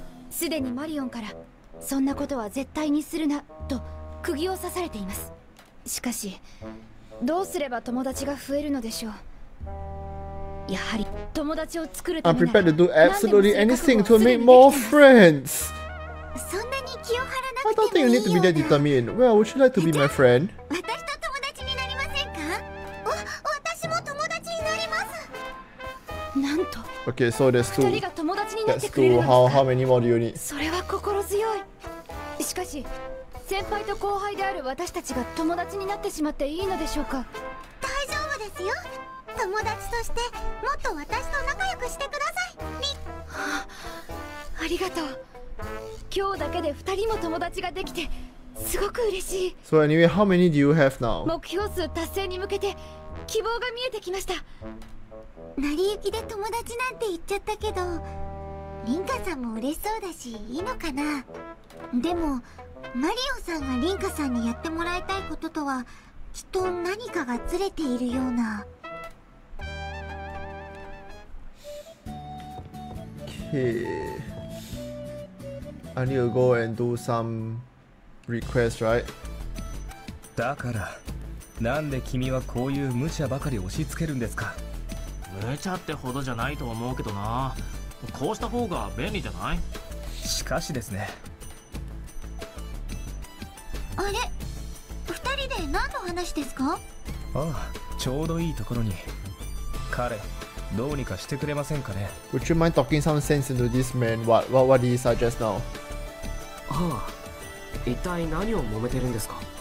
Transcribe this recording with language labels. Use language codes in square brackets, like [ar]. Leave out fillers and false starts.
[ja] すでにマリオンからそんなことは絶対にするなと釘を刺されています。しかし、どうすれば友達が増えるのでしょう。やはり友達を作るためなら、 [en] I'm prepared to do absolutely anything to make more friends. [ja] そんなに気を張らなくてもいいよ。 [en] I don't think you need to be that determined. Well, would you like to be my friend? [ja] 私と友達になりませんか？私も友達になります。なんと、 [en] Okay, so there's two. [ja] 二人が友達になってくれるのか。 [en] That's two. How many more do you need? [ja] それは心強い。しかし、先輩と後輩である私たちが友達になってしまっていいのでしょうか？大丈夫ですよ。友達としてもっと私と仲良くしてください。ありがとう。今日だけで2人も友達ができてすごく嬉しい。 [en] So anyway, how many do you have now? [ja] 目標数達成に向けて希望が見えてきました。成り行きで友達なんて言っちゃったけど、リンカさんも嬉しそうだしいいのかな。でもマリオさんがリンカさんにやってもらいたいこととはきっと何かがずれているような。 [en] Okay, I need to go and do some requests, right? [ja] だからなんで君はこういう無茶ばかり押し付けるんですか？無茶ってほどじゃないと思うけどな。こうした方が便利じゃない？しかしですね。あれ、二人で何の話ですか？ああ、ちょうどいいところに。彼、どうにかしてくれませんかね。 [en] Would you mind talking some sense into this man? What did he say just now? [ja] はあ、一体何を揉めてるんですか。